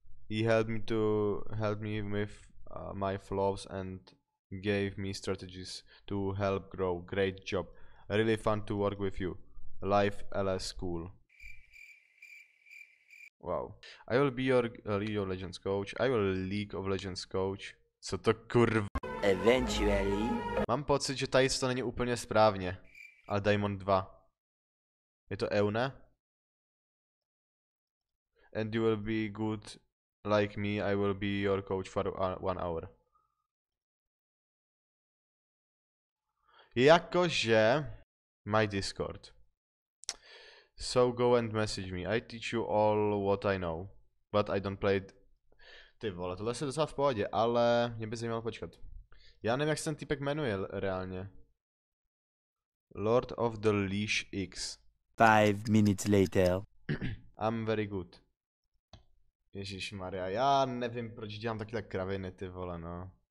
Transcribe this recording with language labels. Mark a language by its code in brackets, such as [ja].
[en] He helped me to help me with my flaws and gave me strategies to help grow. Great job. Really fun to work with you. Life LS cool. Wow. I will be your League of Legends coach. I will League of Legends coach. [cs] Co to kurv... [en] Eventually. [cs] Mám pocit, že tady to není úplně správně. Ale Diamond 2. Je to EU, ne? [en] And you will be good like me. I will be your coach for 1 hour. [cs] Jakože... [en] My Discord. So go and message me, I teach you all what I know, but I don't play it. [cs] Ty vole, tohle se docela v pohodě, ale mě by zajímalo počkat. Já nevím, jak se ten týpek jmenuje reálně. [en] Lord of the Leash X. 5 minutes later. I'm very good. [cs] Ježišmarja, já nevím, proč dělám takhle kraviny, ty vole, no.